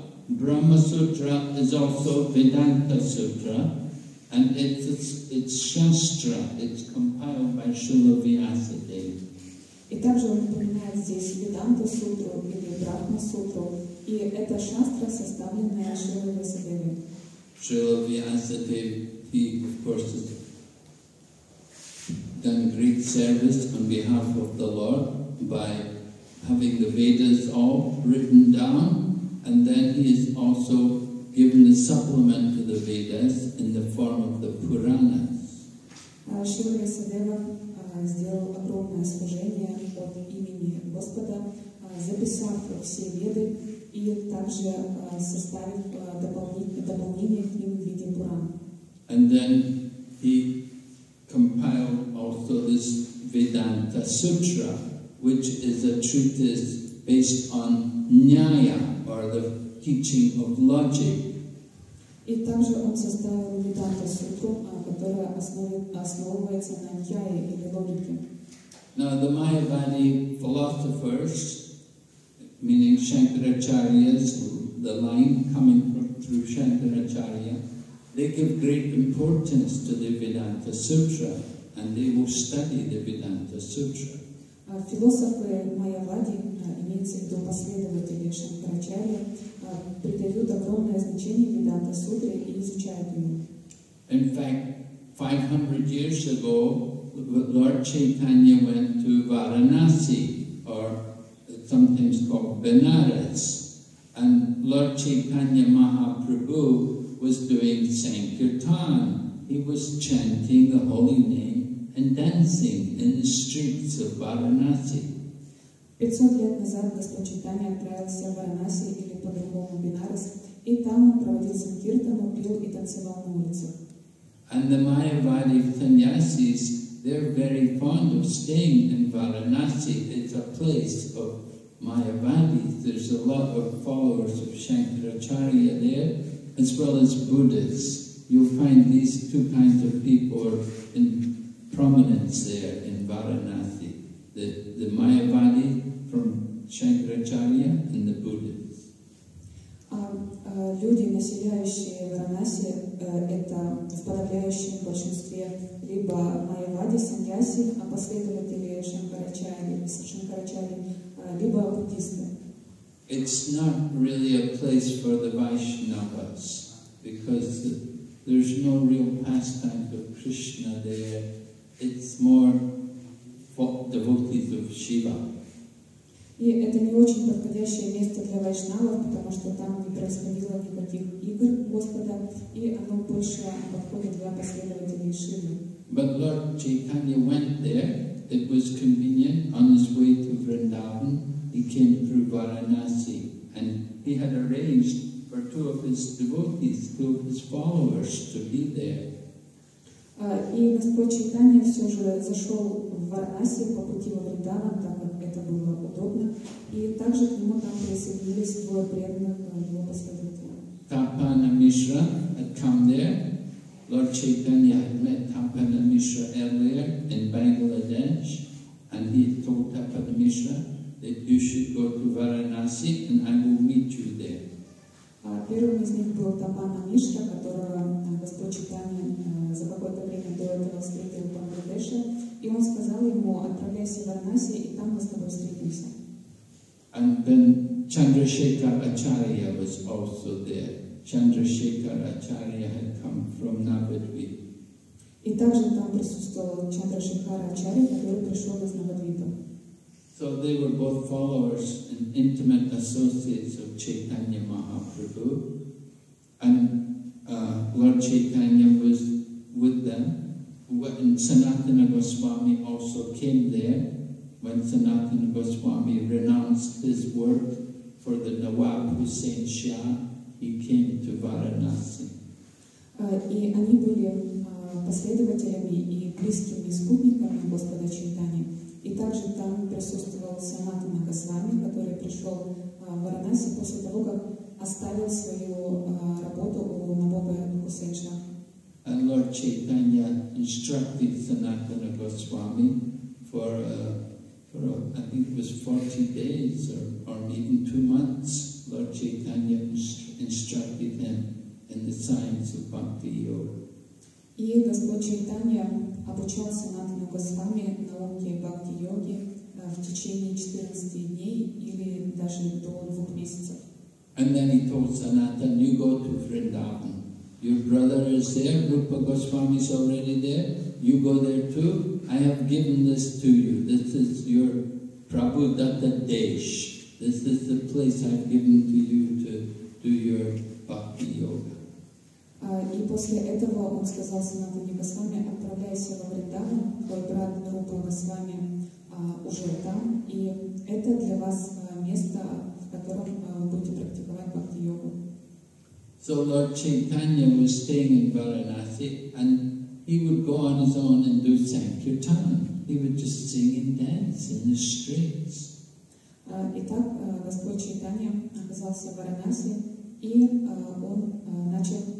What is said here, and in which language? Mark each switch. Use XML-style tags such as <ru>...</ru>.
<en>Brahma Sutra is also Vedanta Sutra. And it's Shastra. It's compiled by Śrīla Vyāsadeva.</en> <ru>И также он упоминает здесь Веданта Сутру или Брахма Сутру. И это шастра, составленная Шрила Вьясадевой.</ru> <en>Шрила Вьясадева, he, of course, has done great service on behalf of the Lord by having the Vedas all written down, and then he has also given a supplement to the Vedas in the form of the Puranas.</en> <ru>Шрила Вьясадева сделал огромное служение от имени Господа, записав все веды и также составив дополнение к ним в виде Пуран.</ru> <en>And then he compiled also this Vedanta Sutra, which is a treatise based on Nyaya, or the teaching of logic.</en> <ru>И также он составил Vedanta Sutra, которая основывается на Нияе или логике.</ru> <en>Now the Mayavadi philosophers, meaning Shankaracharyas, the line coming through Shankaracharya, they give great importance to the Vedanta Sutra, and they will study the Vedanta Sutra.</en> <ru>Философы Майявади, имеется в виду последователи Шанкарачарьи, придают огромное значение Веданта Сутре и изучают ее.</ru> <en>In fact, 500 years ago, Lord Chaitanya went to Varanasi, or sometimes called Benares, and Lord Chaitanya Mahaprabhu was doing Sankirtan. He was chanting the holy name and dancing in the streets of Varanasi.</en> <ru>500 лет назад Господь Чайтанья отправился в Варанаси или по-другому Бенарес, и там он проводил санкиртану, пил и танцевал на улицах.</ru> <en>And the Mayavadi sannyasis, they're very fond of staying in Varanasi. It's a place of Mayavadi. There's a lot of followers of Shankaracharya there, as well as Buddhists. You'll find these two kinds of people in prominence there in Varanasi. The Mayavadi from Shankaracharya and the Buddhists.</en> <ru>Люди, населяющие Варанаси, это в подавляющем большинстве либо Майявади Саньяси, а последователи Шанкарачари, либо буддисты.</ru> <en>It's not really a place for the Vaishnavas, because there's no real pastime of Krishna there. It's more for devotees of Shiva.</en> <ru>И это не очень подходящее место для вайшнавов, потому что там не происходило никаких игр Господа, и оно больше подходит для последователей Шивы.</ru> <en>But Lord Chaitanya went there. It was convenient. On his way to Vrindavan, he came through Varanasi, and he had arranged for two of his devotees, two of his followers, to be there.</en> <ru>И Господь Чайтанья все же зашел в Варанаси по пути во Вриндаван, так как это было удобно. И также к нему там присоединились двое преданных его последователей.</ru> <en>Tapana Mishra had come there. Lord Chaitanya had met Tapana Mishra earlier in Bangladesh, and he told Tapana Mishra that you should go to Varanasi and I will meet you there.</en> <ru>Первым из них был Тапана Мишра, которого Господь Чайтанья за какое-то время до этого встретил в Бангладеше, и он сказал ему: отправляйся в Варанаси, и там мы с тобой встретимся.</ru> <en>And then Chandrasekhar Acharya was also there. Chandrasekhar Acharya had come from Navadvipa.</en> <ru>И также там присутствовал Чандрашекхара Ачарья, который пришел из Навадвипа.</ru> <en>So they were both followers and intimate associates of Chaitanya Mahaprabhu, and Lord Chaitanya was with them. And Sanatana Goswami also came there when Sanatana Goswami renounced his work for the Nawab Hussein Shah. He came to Varanasi.</en> <ru>И они были последователями и близкими спутниками Господа Чайтаньи. И также там присутствовал Санатана Госвами, который пришел в Варанаси после того, как оставил свою работу у Набоба Хусейн Шах.</ru> <en>And Lord Chaitanya instructed Sanatana Goswami for I think it was 40 days or even 2 months. Lord Chaitanya instructed him in the science of Bhakti Yoga.</en> <ru>И Господь Чайтанья обучал Санатану Госвами науке Бхакти-йоги в течение 14 дней или даже до 2 месяцев.</ru> <en>And then he told Sanatan, you go to Vrindavan. Your brother is there, Rupa Goswami is already there. You go there too. I have given this to you. This is your Prabhu Datta Desh. This is the place I've given to you to do your Bhakti-yoga.</en> <ru>И после этого он сказал Санатане Госвами, отправляйся во Вриндаван, твой брат Рупа Госвами уже там, и это для вас место, в котором будете практиковать бхакти-йогу.</ru> <en>So Lord Chaitanya was staying in Varanasi, and he would go on his own and do sankirtan. He would just sing and dance in the streets.</en> <ru>Итак, Господь Чайтанья оказался в Варанаси, и он начал</ru>